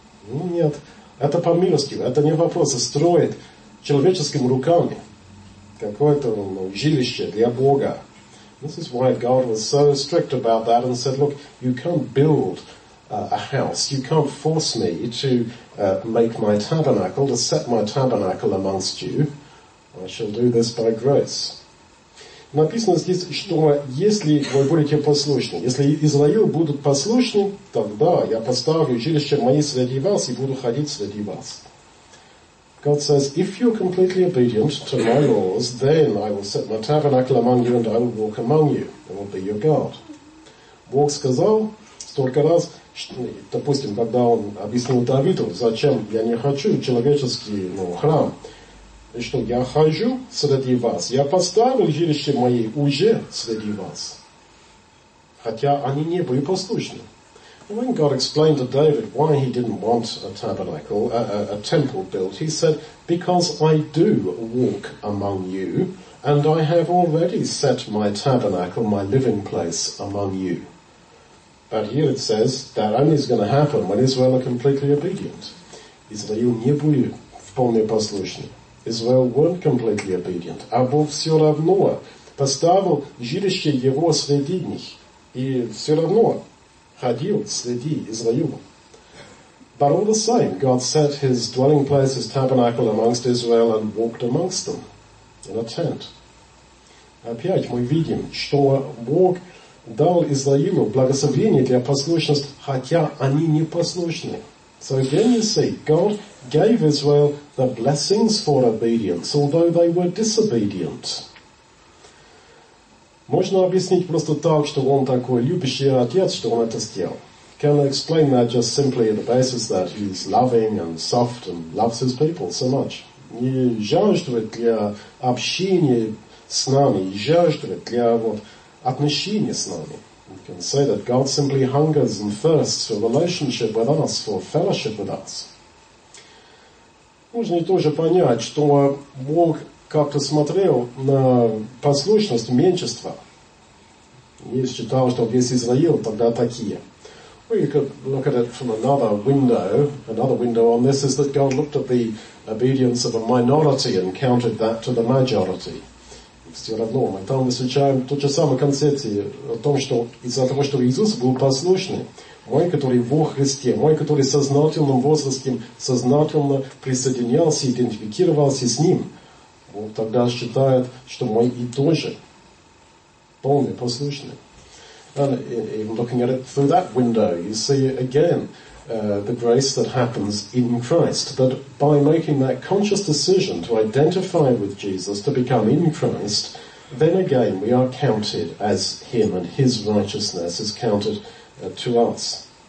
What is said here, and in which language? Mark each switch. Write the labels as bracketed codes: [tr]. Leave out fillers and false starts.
[ru] Ну нет, это по милости, это не вопрос, а строить человеческими руками какое-то жилище для Бога. [en] This is why God was so strict about that and said, look, you can't build a house. You can't force me to make my tabernacle, to set my tabernacle amongst you. I shall do this by grace. [ru] Написано здесь, что если вы будете послушны, если Израил будут послушны, тогда я поставлю жилище мои среди вас и буду ходить среди вас. [en] God says, if you're completely obedient to my laws, then I will set my tabernacle among you and I will walk among you. I will be your God. [ru] Бог сказал столько раз, допустим, когда он объяснил Давиду, зачем я не хочу человеческий храм, и что я хожу среди вас, я поставил жилище мои уже среди вас, хотя они не были послушны. [en] When God explained to David why he didn't want a tabernacle, a temple built, he said, because I do walk among you, and I have already set my tabernacle, my living place, among you. But here it says that only is going to happen when Israel are completely obedient. [ru] Israel не были вполне послушны. [en] Israel weren't completely obedient. [ru] А Бог все равно поставил жилище его среди них. И все равно ходил среди Израиля. [en] But all the same, God set his dwelling place, his tabernacle amongst Israel and walked amongst them in a tent. [ru] Опять мы видим, что Бог дал Израилю благословение для послушности, хотя они не послушны. [en] So again you see, God gave Israel the blessings for obedience, although they were disobedient. [ru] Можно объяснить просто так, что он такой любящий отец, что он это сделал. [en] Can I explain that just simply on the basis that he's loving and soft and loves his people so much? [ru] Не жаждует для общения с нами, жаждует для отношения с нами. [en] You can say that God simply hungers and thirsts for relationship with us, for fellowship with us. [ru] Можно и тоже понять, что Бог как-то смотрел на послушность меньшинства. И считал, что весь Израил тогда такие. [en] We could look at it from another window. Another window on this is that God looked at the obedience of a minority and counted that to the majority. [ru] Все равно мы там встречаем ту же самую концепцию о том, что из-за того, что Иисус был послушный, мой, который во Христе, мой, который сознательным возрастом, сознательно присоединялся, идентифицировался с Ним, Бог тогда считает, что мой и тоже полный послушный. [en] And even looking at it through that window, you see again the grace that happens in Christ, that by making that conscious decision to identify with Jesus, to become in Christ, then again we are counted as Him and His righteousness is counted to us.